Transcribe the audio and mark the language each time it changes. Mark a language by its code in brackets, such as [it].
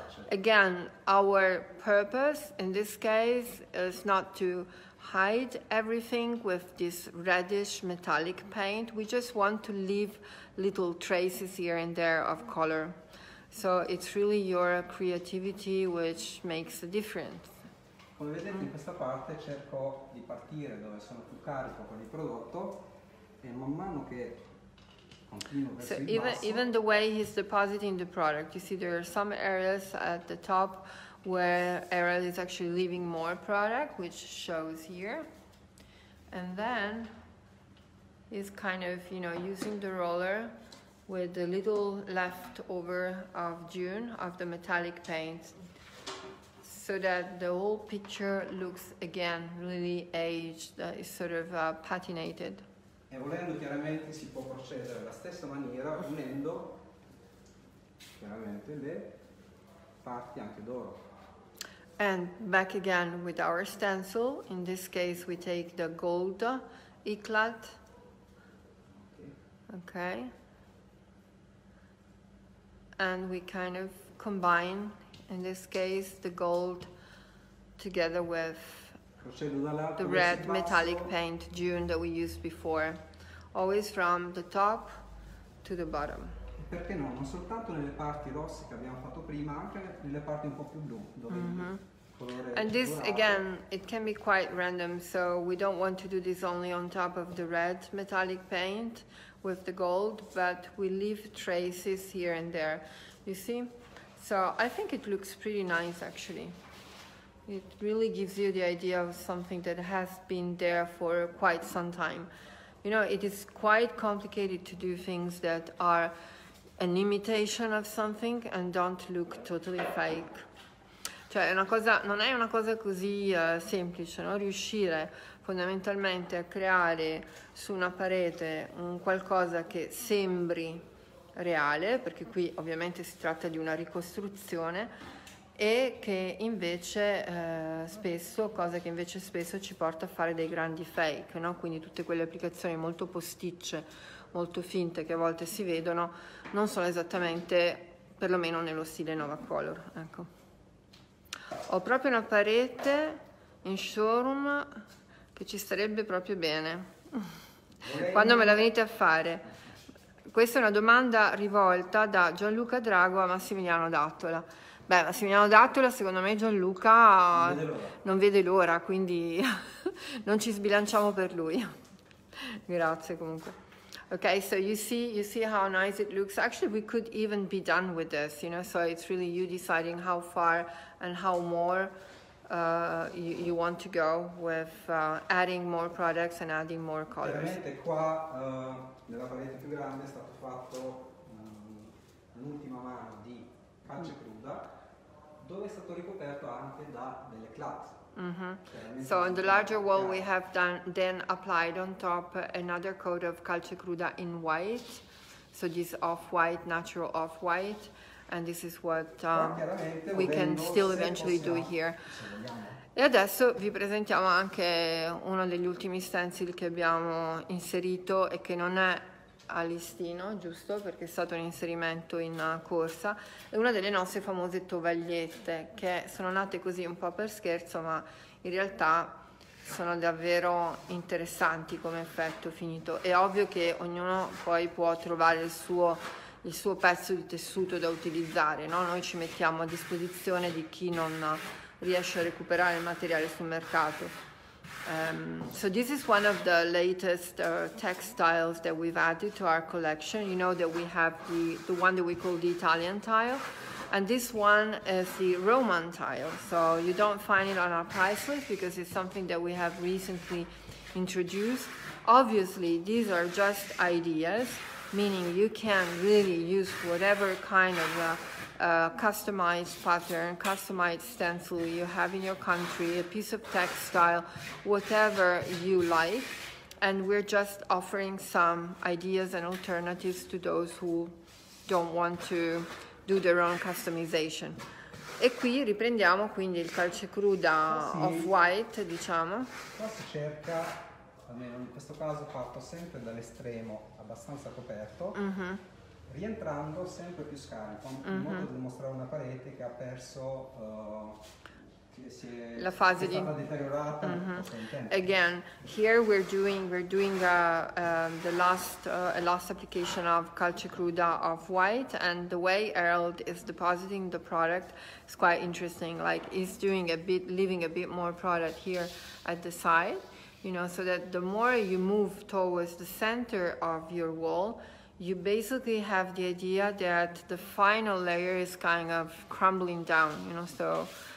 [en] Again, our purpose in this case is not to hide everything with this reddish metallic paint. We just want to leave little traces here and there of color. So it's really your creativity which makes a difference. [it] Come vedete, in questa parte cerco di partire dove sono più carico con il prodotto e man mano che [en] so even the way he's depositing the product, you see there are some areas at the top where Errol is actually leaving more product, which shows here, and then he's kind of, you know, using the roller with the little leftover of dune of the metallic paint. so that the whole picture looks again really aged, it's sort of patinated. [it] E volendo chiaramente si può procedere alla stessa maniera unendo chiaramente le parti anche d'oro. [en] And back again with our stencil. In this case, we take the gold eclat. Okay. And we kind of combine, in this case, the gold together with the red metallic paint June that we used before, always from the top to the bottom. [it] Perché no? Non soltanto nelle parti rosse che abbiamo fatto prima, anche nelle parti un po' più blu, dove [en] And this again, it can be quite random, so we don't want to do this only on top of the red metallic paint with the gold, but we leave traces here and there, you see? So I think it looks pretty nice actually. It really gives you the idea of something that has been there for quite some time. You know, it is quite complicated to do things that are an imitation of something and don't look totally fake. [it] Cioè, una cosa, non è una cosa così semplice, no? Riuscire fondamentalmente a creare su una parete un qualcosa che sembri reale, perché qui ovviamente si tratta di una ricostruzione, e che invece spesso, cosa che invece spesso ci porta a fare dei grandi fake, no? Quindi tutte quelle applicazioni molto posticce, molto finte che a volte si vedono, non sono esattamente, perlomeno nello stile Novacolor, ecco. Ho proprio una parete in showroom che ci starebbe proprio bene. Quando me la venite a fare? Questa è una domanda rivolta da Gianluca Drago a Massimiliano Dattola. Beh, Massimiliano Dattola, secondo me Gianluca non vede l'ora, quindi non ci sbilanciamo per lui. Grazie comunque. [en] Okay, so you see how nice it looks. Actually, we could even be done with this, you know, so it's really you deciding how far and how more you want to go with adding more products and adding more colors. [it] Chiaramente qua, nella parete più grande, è stato fatto l'ultima mano di CalceCruda, dove è stato ricoperto anche da delle clat. Mm-hmm. [en] So on the larger wall we have then applied on top another coat of CalceCruda in white, so this off-white, natural off-white, and this is what we can still eventually do here. [it] E adesso vi presentiamo anche uno degli ultimi stencil che abbiamo inserito e che non è a listino, giusto, perché è stato un inserimento in corsa, è una delle nostre famose tovagliette che sono nate così un po' per scherzo, ma in realtà sono davvero interessanti come effetto finito. È ovvio che ognuno poi può trovare il suo pezzo di tessuto da utilizzare, no? Noi ci mettiamo a disposizione di chi non riesce a recuperare il materiale sul mercato. [en] So this is one of the latest textiles that we've added to our collection. You know that we have the one that we call the Italian tile, and this one is the Roman tile. So you don't find it on our price list because it's something that we have recently introduced. Obviously, these are just ideas, meaning you can really use whatever kind of customized pattern, customized stencil you have in your country, a piece of textile, whatever you like, and we're just offering some ideas and alternatives to those who don't want to do their own customization. [it] E qui riprendiamo quindi il CalceCruda off-white, diciamo. Qua si cerca, almeno in questo caso, fatto sempre dall'estremo, abbastanza coperto. Mm-hmm. Rientrando sempre più scarico, in modo da dimostrare una parete che ha perso che si è stata deteriorata. Mm-hmm. [en] Again, here we're doing the last application of CalceCruda off white, and the way Harold is depositing the product is quite interesting. Like he's doing a bit, leaving a bit more product here at the side, you know, so that the more you move towards the center of your wall, you basically have the idea that the final layer is kind of crumbling down, you know, so